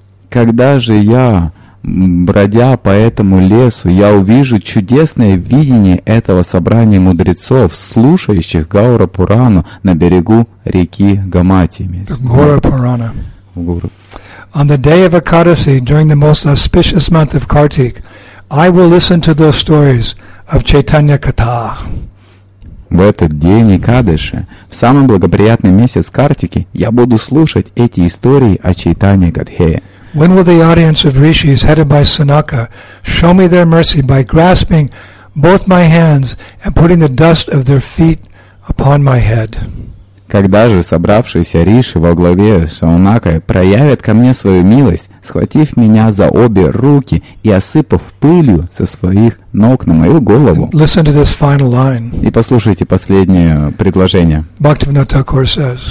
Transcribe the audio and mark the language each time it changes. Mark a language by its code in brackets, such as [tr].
[ru] Когда же я Бродя по этому лесу, я увижу чудесное видение этого собрания мудрецов, слушающих Гаура Пурану на берегу реки Гамати. Гаура Пурана. [en] On the day of Ekadasi, during the most auspicious month of Kartik, I will listen to those stories of Chaitanya Katha. [ru] В этот день Экадаши, в самый благоприятный месяц Картики, я буду слушать эти истории о Чайтанье Гадхее. [en] When will the audience of rishis headed by Sanaka show me their mercy by grasping both my hands and putting the dust of their feet upon my head? [ru] Когда же собравшиеся риши во главе Саунака проявят ко мне свою милость, схватив меня за обе руки и осыпав пылью со своих ног на мою голову? [en] Listen to this final line. [ru] И послушайте последнее предложение. [en] Bhaktivinoda Thakur says.